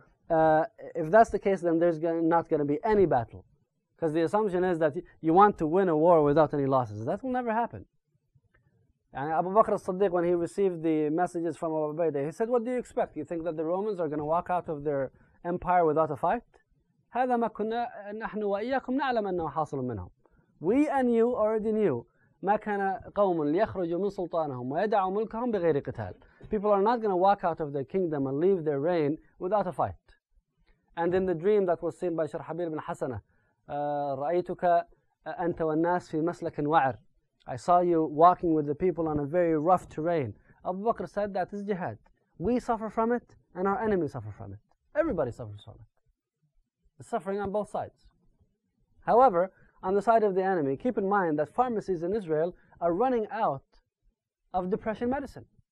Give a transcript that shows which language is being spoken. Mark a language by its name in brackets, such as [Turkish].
[English] If that's the case, then there's not going to be any battle. Because the assumption is that you want to win a war without any losses. That will never happen. And Abu Bakr as-Siddiq, when he received the messages from Abu Ubaidah, he said, what do you expect? You think that the Romans are going to walk out of their empire without a fight? [Arabic] هذا ما كنا نحن وإياكم نعلم أنه حاصل منهم. [English] We and you already knew [Arabic] ما كان قوم ليخرجوا من سلطانهم ويدعوا ملكهم بغير قتال. [English] People are not going to walk out of their kingdom and leave their reign without a fight. And in the dream that was seen by شرحبيل بن حسنة, [Arabic] رأيتك أنت والناس في مسلك وعر. [English] I saw you walking with the people on a very rough terrain. Abu Bakr said that is jihad. We suffer from it and our enemies suffer from it. Everybody suffers from it. Suffering on both sides. However, on the side of the enemy, keep in mind that pharmacies in Israel are running out of depression medicine.